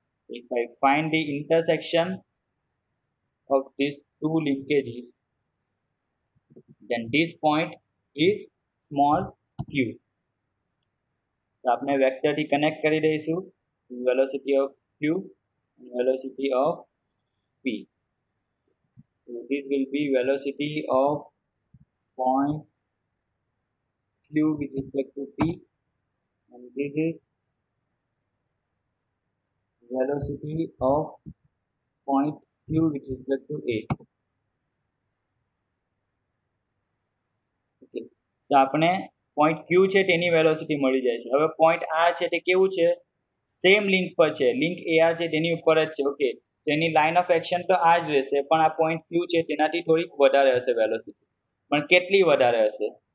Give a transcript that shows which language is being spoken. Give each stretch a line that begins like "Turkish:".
English: If I find the intersection of this two linkages then this point is small q.
Gujarati: આપણે vector થી connect કરી દઈશું
English: Velocity of q and velocity of p. this will be velocity of point q with respect to p and this is velocity of point q with respect to a.
Gujarati: તો આપણે point ક્યુ છે તેની velocity મળી જાય છે. હવે point R છે તે કેવું છે, સેમ લિંક પર છે, લિંક એ આર છે તેની ઉપર જ છે. ઓકે, તેની લાઈન ઓફ એક્શન તો આ જ રહેશે, પણ આ પોઈન્ટ ક્યુ છે તેનાથી થોડીક વધારે હશે વેલોસિટી, પણ કેટલી વધારે હશે.